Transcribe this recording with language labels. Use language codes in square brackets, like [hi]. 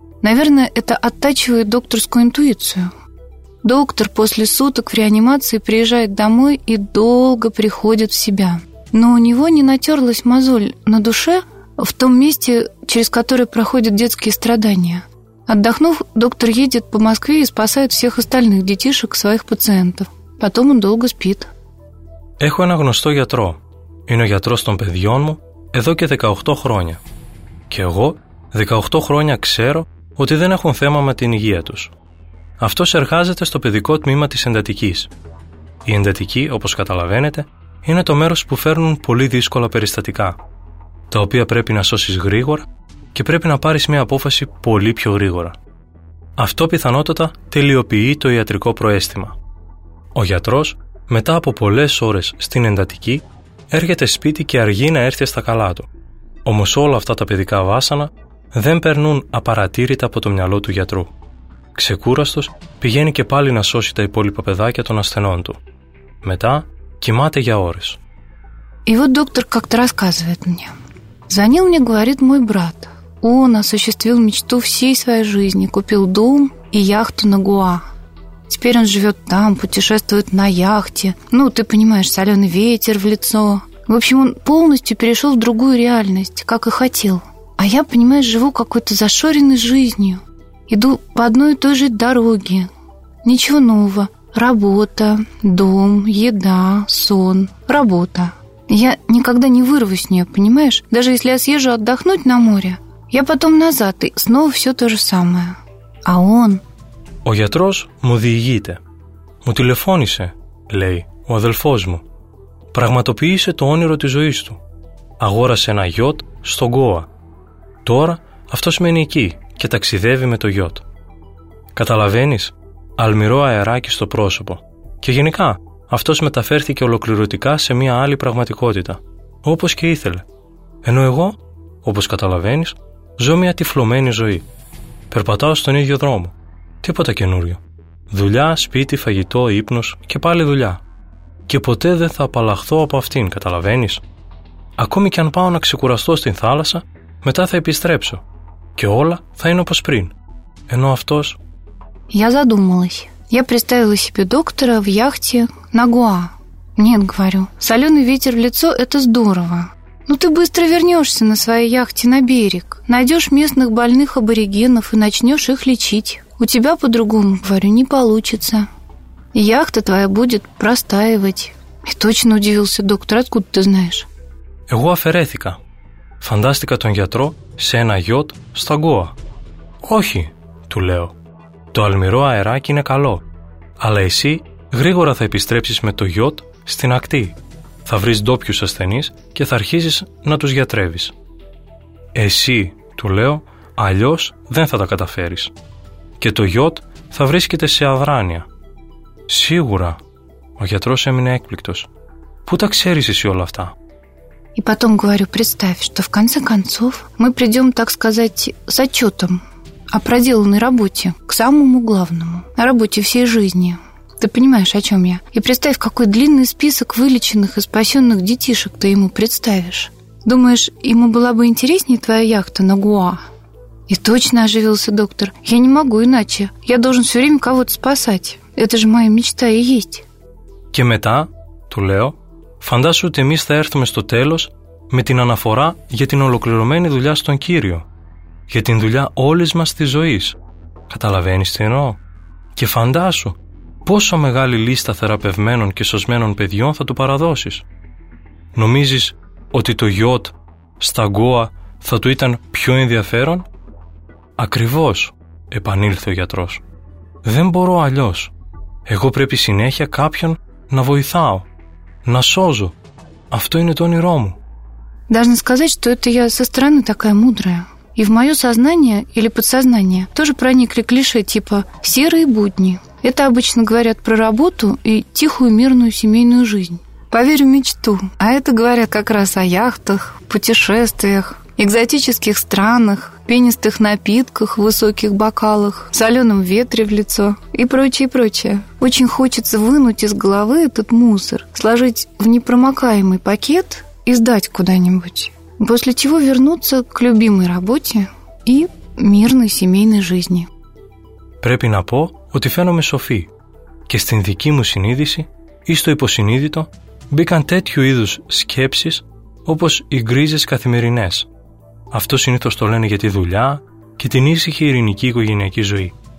[ru] Наверное, это оттачивает докторскую интуицию. Доктор после суток в реанимации приезжает домой и долго приходит в себя. Но у него не натерлась мозоль на душе в том месте, через которое проходят детские страдания. Отдохнув, доктор едет по Москве и спасает всех остальных детишек, своих пациентов. Потом он долго спит. [el] Έχω ένα γνωστό γιατρό. Είναι ο γιατρός των παιδιών μου εδώ και 18 χρόνια. Και εγώ 18 χρόνια ξέρω ότι δεν έχουν θέμα με την υγεία τους. Αυτός εργάζεται στο παιδικό τμήμα της εντατικής. Η εντατική, όπως καταλαβαίνετε, είναι το μέρος που φέρνουν πολύ δύσκολα περιστατικά, τα οποία πρέπει να σώσεις γρήγορα και πρέπει να πάρεις μια απόφαση πολύ πιο γρήγορα. Αυτό πιθανότατα τελειοποιεί το ιατρικό προαίσθημα. Ο γιατρός, μετά από πολλές ώρες στην εντατική, έρχεται σπίτι και αργεί να έρθει στα καλά του. Όμως όλα αυτά τα παιδικά βάσανα δεν περνούν απαρατήρητα από το μυαλό του γιατρού. Ξεκούραστος, πηγαίνει και πάλι να σώσει τα υπόλοιπα παιδάκια των ασθενών του. Μετά, кимате я орис. [ru] И вот доктор как-то рассказывает мне. Звонил мне, говорит, мой брат. Он осуществил мечту всей своей жизни. Купил дом и яхту на Гуа. Теперь он живет там, путешествует на яхте. Ну, ты понимаешь, соленый ветер в лицо. В общем, он полностью перешел в другую реальность, как и хотел. А я, понимаешь, живу какой-то зашоренной жизнью. Иду по одной и той же дороге. Ничего нового. Работа, дом, еда, сон, работа. Я никогда не вырвусь с нее, понимаешь? Даже если я съезжу отдохнуть на море, я потом назад, и снова все то же самое. А он... [el] Ο γιατρός μου διηγείται. Μου τηλεφώνησε, λέει, ο αδελφός μου. Πραγματοποίησε το όνειρο της ζωής του. Αγόρασε ένα γιότ στο Γκόα. Τώρα αυτός μένει εκεί και ταξιδεύει με το γιότ. Καταλαβαίνεις? Αλμυρό αεράκι στο πρόσωπο. Και γενικά, αυτός μεταφέρθηκε ολοκληρωτικά σε μια άλλη πραγματικότητα, όπως και ήθελε. Ενώ εγώ, όπως καταλαβαίνεις, ζω μια τυφλωμένη ζωή. Περπατάω στον ίδιο δρόμο. Τίποτα καινούριο. Δουλειά, σπίτι, φαγητό, ύπνος και πάλι δουλειά. Και ποτέ δεν θα απαλλαχθώ από αυτήν, καταλαβαίνεις. Ακόμη και αν πάω να ξεκουραστώ στην θάλασσα, μετά θα επιστρέψω. Και όλα θα είναι όπως πριν. Ενώ αυτός. [ru] Я задумалась. Я представила себе доктора в яхте на Гуа. Нет, говорю, соленый ветер в лицо – это здорово. Но ты быстро вернешься на своей яхте на берег, найдешь местных больных аборигенов и начнешь их лечить. У тебя по-другому, говорю, не получится. И яхта твоя будет простаивать. И точно удивился доктор, откуда ты знаешь? [el] Εγώ αφαιρέθηκα. Φαντάστηκα τον γιατρό σε ένα γιότ στα Γκόα. Όχι, του λέω. Το αλμυρό αεράκι είναι καλό, αλλά εσύ γρήγορα θα επιστρέψεις με το γιότ στην ακτή. Θα βρεις ντόπιους ασθενείς και θα αρχίσεις να τους γιατρεύεις. Εσύ, του λέω, αλλιώς δεν θα τα καταφέρεις. Και το γιότ θα βρίσκεται σε αδράνεια. Σίγουρα, ο γιατρός έμεινε έκπληκτος. Πού τα ξέρεις εσύ όλα αυτά? [ru] И потом говорю, представь, что в конце концов мы придем, так сказать, с отчетом о проделанной работе, к самому главному, о работе всей жизни. Ты понимаешь, о чем я? И представь, какой длинный список вылеченных и спасенных детишек ты ему представишь. Думаешь, ему была бы интереснее твоя яхта на Гуа? И точно оживился доктор. Я не могу иначе. Я должен все время кого-то спасать. Это же моя мечта и есть. [el] Και μετά, του λέω, φαντάσου ότι εμείς θα έρθουμε στο τέλος με την αναφορά για την ολοκληρωμένη δουλειά στον Κύριο. Για την δουλειά όλης μας της ζωής. Καταλαβαίνεις τι εννοώ? Και φαντάσου πόσο μεγάλη λίστα θεραπευμένων και σωσμένων παιδιών θα του παραδώσεις. Νομίζεις ότι το γιότ στα Γκόα θα του ήταν πιο ενδιαφέρον? Ακριβώς, επανήλθε ο γιατρός. Δεν μπορώ αλλιώς. Εγώ πρέπει συνέχεια κάποιον να βοηθάω, να σώζω. Αυτό είναι το όνειρό μου. [ru] Должна сказать, что это я со стороны такая мудрая. И в мое сознание или подсознание тоже проникли клише типа «серые будни». Это обычно говорят про работу и тихую мирную семейную жизнь. Поверю, мечту. А это говорят как раз о яхтах, путешествиях, экзотических странах, пенистых напитках в высоких бокалах, соленом ветре в лицо и прочее, прочее. Очень хочется вынуть из головы этот мусор, сложить в непромокаемый пакет и сдать куда-нибудь. После чего вернуться к любимой работе и мирной семейной жизни. [el] Πρέπει να πω ότι φαίνομαι σοφή. Και στην δική μου συνείδηση ή στο υποσυνείδητο μπήκαν τέτοιου είδους σκέψεις όπως οι γκρίζες καθημερινές. Αυτό συνήθως το λένε για τη δουλειά και την ήσυχη ειρηνική οικογενειακή ζωή.